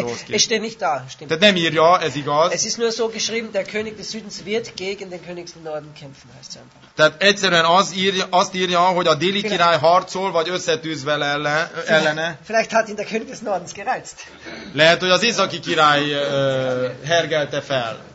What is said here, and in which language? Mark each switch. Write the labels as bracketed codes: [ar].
[de] losgeht. Okay, es steht nicht da, stimmt. Das nehmen wir ja, es ist egal. Es ist nur so geschrieben, der König des Südens wird gegen den König des Norden kämpfen, heißt es einfach. [hu] Tehát egyszerűen azt írja, hogy a déli király harcol, vagy összetűz vele ellene. [de] Vielleicht hat ihn der König des Nordens gereizt. [hu] Lehet, hogy az északi király hergelte fel.